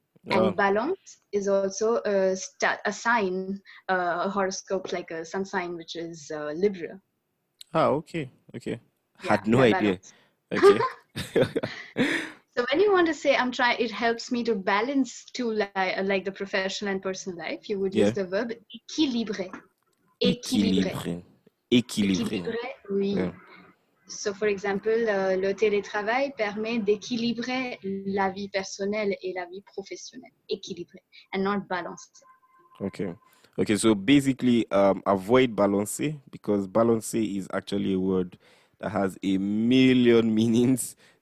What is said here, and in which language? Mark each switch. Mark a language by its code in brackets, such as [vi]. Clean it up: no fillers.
[en] And balance is also a sign, a horoscope, like a sun sign, which is Libra. Oh, okay. Yeah, had no idea. Balance. Okay. So when you want to say I'm trying, it helps me to balance two, like the professional and personal life, you would use the verb équilibrer. [fr] Équilibrer. Oui. [en] Yeah. So for example, [fr] le télétravail permet d'équilibrer la vie personnelle et la vie professionnelle. [en] Équilibrer and not balanced. Okay. So basically, avoid balancer, because balancer is actually a word that has a million meanings.